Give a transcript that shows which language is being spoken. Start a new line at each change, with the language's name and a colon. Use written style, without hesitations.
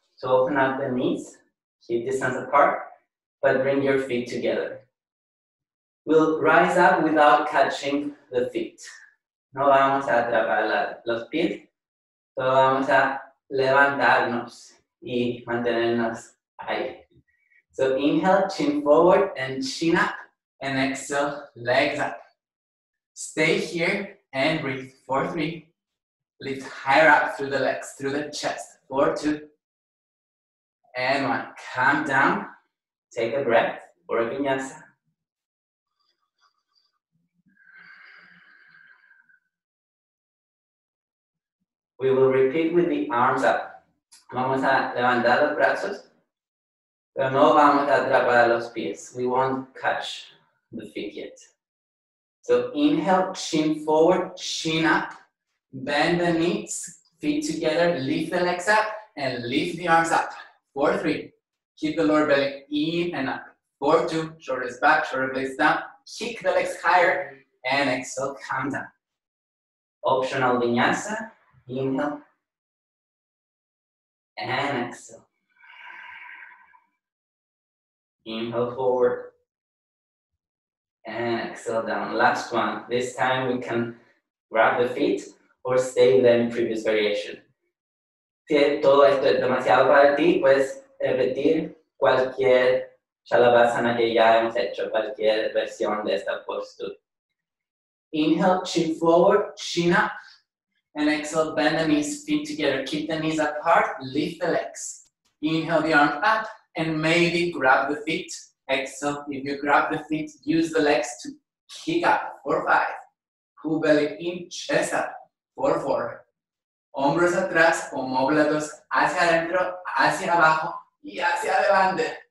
English: So open up the knees, keep distance apart, but bring your feet together. We'll rise up without catching the feet.
Spanish: No vamos a atrapar los pies, solo vamos a levantarnos y mantenernos ahí.
English: So inhale, chin forward and chin up, and exhale, legs up. Stay here and breathe. 4, 3. Lift higher up through the legs, through the chest. 4, 2. And 1, calm down, take a breath, or a vinyasa. We will repeat with the arms up.
Spanish: Vamos a levantar los brazos, pero no vamos a atrapar los pies.
English: We won't catch the feet yet. So inhale, chin forward, chin up, bend the knees, feet together, lift the legs up, and lift the arms up. 4, 3. Keep the lower belly in and up. 4, 2. Shoulders back, shoulder blades down. Kick the legs higher. And exhale, calm down. Optional vinyasa. Inhale. And exhale. Inhale forward. And exhale down. Last one. This time we can grab the feet or stay them in previous variation.
Spanish: Si todo esto es demasiado para ti, pues repetir cualquier shalabhasana que ya hemos hecho, cualquier versión de esta postura.
English: Inhale, chin forward, chin up, and exhale, bend the knees, feet together, keep the knees apart, lift the legs. Inhale, the arms up, and maybe grab the feet. Exhale, if you grab the feet, use the legs to kick up. 4, 5. Pull belly in, chest up. 4, 4.
Spanish: Hombros atrás, omóplatos hacia adentro, hacia abajo, y hacia adelante.